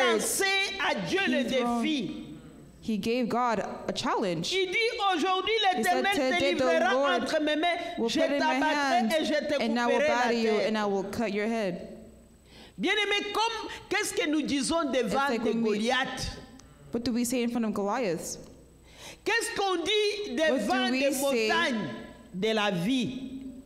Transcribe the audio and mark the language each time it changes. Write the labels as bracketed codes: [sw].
[fr] a lancé à Dieu le défi. [en] He gave God a challenge. [fr] Il dit aujourd'hui l'Éternel te livrera entre mes mains, je t'abattrai et je te couperai la tête. [en] And I will cut your head. [fr] Bien aimé, comme qu'est-ce que nous disons devant [en] like [fr] de Goliath? [en] What do we say in front of Goliath? [fr] Qu'est-ce qu'on dit devant des montagnes de la vie?